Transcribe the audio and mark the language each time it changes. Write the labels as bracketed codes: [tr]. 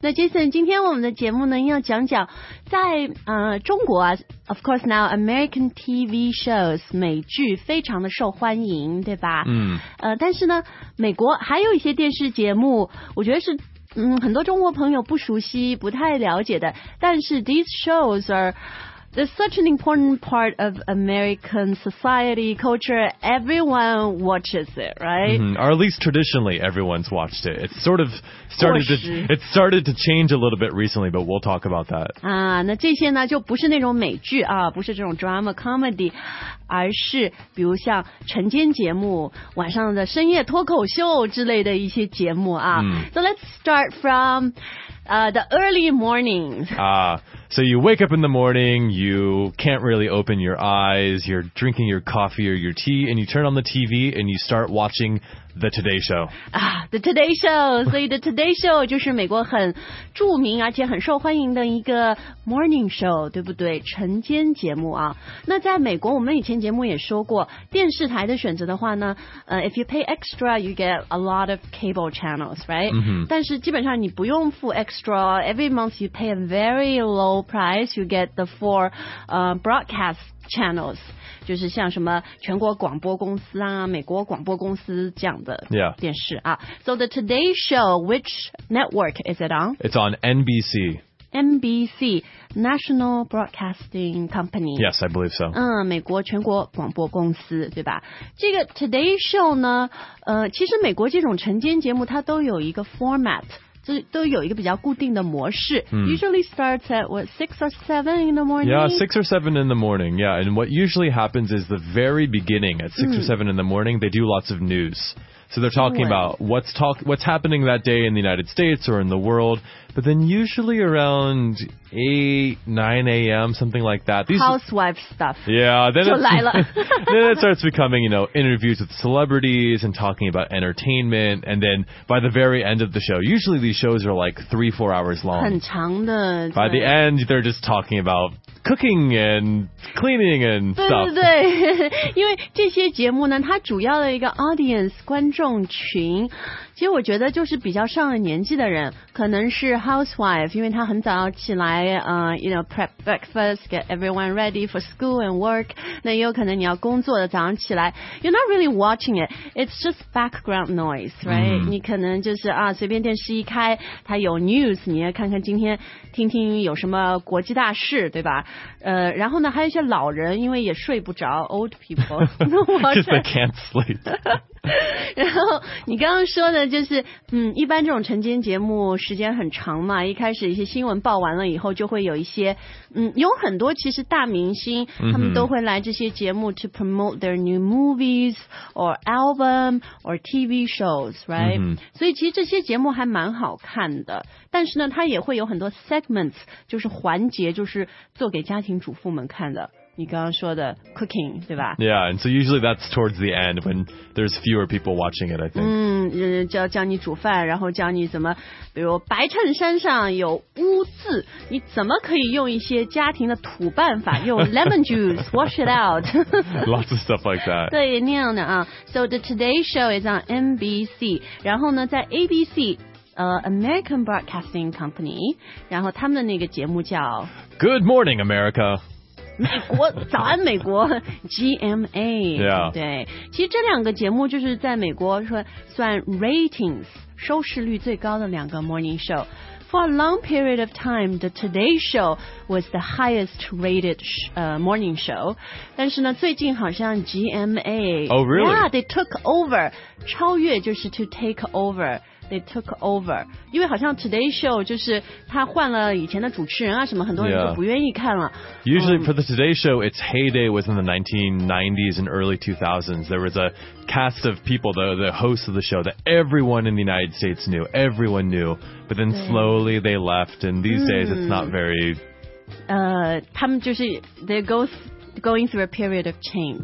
[zh] 那 Jason， 今天我们的节目呢要讲讲在中国啊 ， [en] of course now American TV shows [zh] 美剧非常的受欢迎，对吧？嗯。但是呢，美国还有一些电视节目，我觉得是很多中国朋友不熟悉、不太了解的。但是 [en] these shows are there's such an important part of American society culture. Everyone watches it, right? Mm-hmm. Or at least traditionally, everyone's watched it. It's sort of started to change a little bit recently, but we'll talk about that. [zh] 啊，那这些呢就不是那种美剧啊，不是这种 [en] drama comedy， [zh] 而是比如像晨间节目、晚上的深夜脱口秀之类的一些节目啊。 [en] So let's start from the early morning. So you wake up in the morning, you can't really open your eyes, you're drinking your coffee or your tea, and you turn on the TV and you start watching The Today Show. The Today Show. [zh] 所以 The Today Show 就是美国很著名而且很受欢迎的一个 morning show, 对不对？晨间节目啊。那在美国我们以前节目也说过，电视台的选择的话呢， [en] if you pay extra, you get a lot of cable channels, right? Mm-hmm. [zh] 但是基本上你不用付 extra, [en] every month you pay a very lowprice, you get the four broadcast channels, [zh] 就是像什么全国广播公司啊，美国广播公司这样的电视啊。 [en] Yeah. So the Today Show, which network is it on? It's on NBC. NBC, National Broadcasting Company. Yes, I believe so. [zh] 美国全国广播公司，对吧？这个 Today Show 呢，其实美国这种晨间节目它都有一个 format。都有一个比较固定的模式、 [en] Usually starts at what, 6 or 7 in the morning? Yeah, 6 or 7 in the morning, yeah. And what usually happens is the very beginning, at 6 or 7 in the morning, they do lots of news. So they're talking about what's happening that day in the United States or in the world. But then usually around 8, 9 a.m., something like that. Housewife stuff. Yeah. Then, [zh] 就来了 [en] then it starts becoming, you know, interviews with celebrities and talking about entertainment. And then by the very end of the show, usually these shows are like 3-4 hours long. [zh] 很长的。 [en] By the end, they're just talking about cooking and cleaning and stuff. [zh] 对对对。因为这些节目呢，它主要的一个 audience, 观众群，其实我觉得就是比较上了年纪的人，可能是 housewife， 因为她很早起来，you know, [en] prep breakfast, get everyone ready for school and work. [zh] 那也有可能你要工作的早上起来 ， [en] you're not really watching it. It's just background noise, right?、 [zh] 你可能就是啊，随便电视一开，它有 news， 你要看看今天，听听有什么国际大事，对吧？然后呢，还有一些老人，因为也睡不着 ， [en] old people， because they can't sleep. [zh] 然后你刚刚说的就是一般这种晨间节目时间很长嘛，一开始一些新闻报完了以后就会有一些有很多其实大明星他们都会来这些节目 [en] to promote their new movies or album or TV shows, right? [zh] 所以其实这些节目还蛮好看的，但是呢它也会有很多 segments, 就是环节，就是做给家庭主妇们看的。你刚刚说的 cooking, 对吧？ [en] Yeah, and so usually that's towards the end when there's fewer people watching it, I think. [zh] 教你煮饭，然后教你怎么，比如白衬衫上有污渍，你怎么可以用一些家庭的土办法，用 lemon juice, [en] wash it out. Lots of stuff like that. [zh] 对，那样的啊。 [en] So the Today Show is on NBC, [zh] 然后呢在 [en] ABC, American Broadcasting Company, [zh] 然后他们的那个节目叫 [en] Good Morning, America. [zh] 美国早安美国 GMA、 [en] yeah. [zh] 对，其实这两个节目就是在美国说算 ratings 收视率最高的两个 morning show. [en] For a long period of time, the Today Show was the highest rated morning show. [zh] 但是呢最近好像 GMA [en] Oh really? Yeah, they took over [zh] 超越就是 [en] to take overThey took over. 因为好像 Today Show 就是他换了以前的主持人啊什么，很多人就不愿意看了。 Yeah. Usually for the Today Show, its heyday was in the 1990s and early 2000s. There was a cast of people, the hosts of the show, that everyone in the United States knew. Everyone knew. But then slowly they left. And these days it's not very... [zh] 他们就是 [en] they going through a period of change、